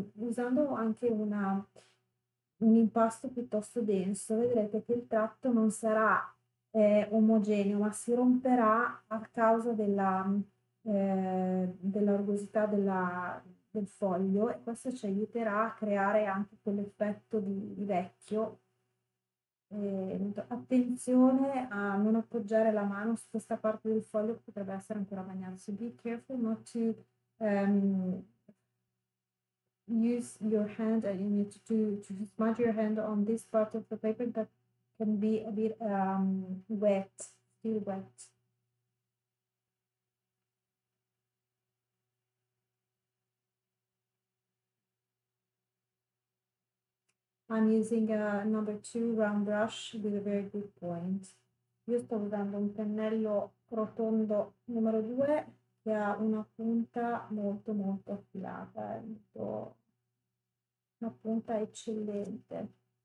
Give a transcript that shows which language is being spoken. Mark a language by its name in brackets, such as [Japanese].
[Italian] Usando anche un impasto piuttosto denso, vedrete che il tratto non sarà omogeneo, ma si romperà a causa della rugosità del foglio, e questo ci aiuterà a creare anche quell'effetto di vecchio. Attenzione a non appoggiare la mano su questa parte del foglio, potrebbe essere ancora bagnato. [English] So be careful not to use your hand, and you need to smudge your hand on this part of the paper that can be a bit wet, still wet. I'm using a number 2 round brush with a very good point. [Italian] Io sto usando un pennello rotondo numero 2 che ha una punta molto molto affilata, una punta eccellente.